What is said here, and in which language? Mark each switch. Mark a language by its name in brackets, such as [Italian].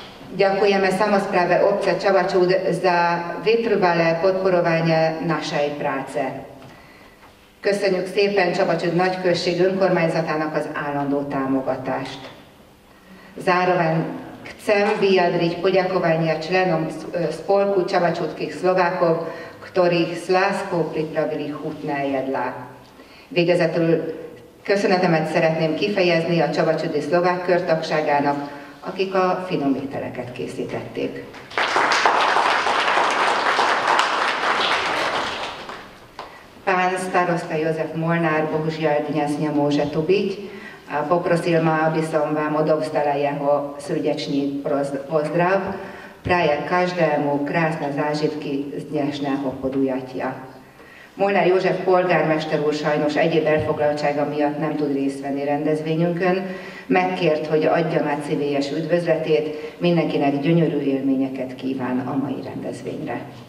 [Slovak] Ďakujeme samospráve obce Čabačúd za vytrvalé podporovanie našej práce. [Hungarian] Köszönjük szépen Čabačúd nagyközség önkormányzatának az állandó támogatást. [Slovak] Zároveň chcem vyjadriť poďakovanie členom spolku Čabačúdskych Slovákov, ktorých s láskou pripravili chutné jedlá. [Hungarian] Végezetül köszönetemet szeretném kifejezni a Csabacsúdi Szlovák Körtagságának, akik a finom ételeket készítették. [Slovak] Pán starosta József Molnár, bohužiaľ dnes nemôže tu byť, a poprosil ma, aby som vám odovzdala jeho srdečný pozdrav. Praje každému krásne zážitky z dnešného podujatia. [Hungarian] Molnár József polgármester úr sajnos egyéb elfoglaltsága miatt nem tud részt venni rendezvényünkön. Megkért, hogy adjam át szívélyes üdvözletét, mindenkinek gyönyörű élményeket kíván a mai rendezvényre.